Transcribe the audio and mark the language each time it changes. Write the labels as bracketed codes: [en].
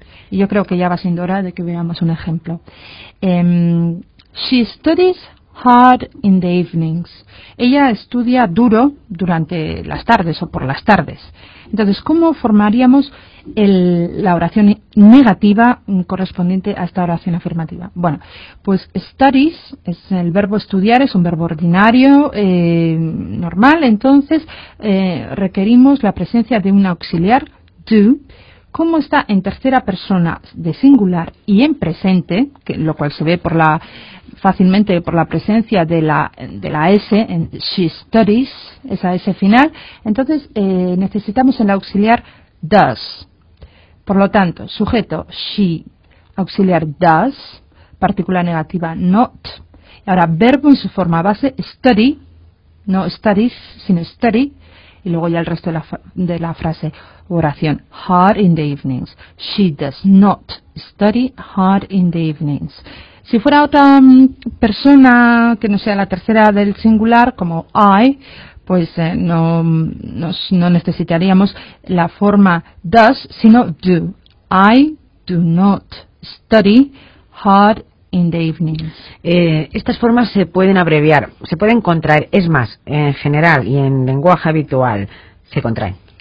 [es] Y yo creo que ya va siendo hora de que veamos un ejemplo. [en] She studies hard in the evenings. [es] Ella estudia duro durante las tardes o por las tardes. Entonces, ¿cómo formaríamos la oración negativa correspondiente a esta oración afirmativa? Bueno, pues studies, es el verbo estudiar, es un verbo ordinario, normal. Entonces, requerimos la presencia de un auxiliar, do. Como está en tercera persona de singular y en presente, lo cual se ve fácilmente por la presencia de la S, en she studies, esa S final, entonces necesitamos el auxiliar does. Por lo tanto, sujeto she, auxiliar does, partícula negativa not. Y ahora, verbo en su forma base, study, no studies, sino study, y luego ya el resto de la frase. [en] Oración, hard in the evenings. She does not study hard in the evenings. [es] Si fuera otra persona que no sea la tercera del singular, como I, pues no necesitaríamos la forma does, sino do. [en] I do not study hard in the evenings. [es] Estas formas se pueden abreviar, se pueden contraer. Es más, en general y en lenguaje habitual, se contraen.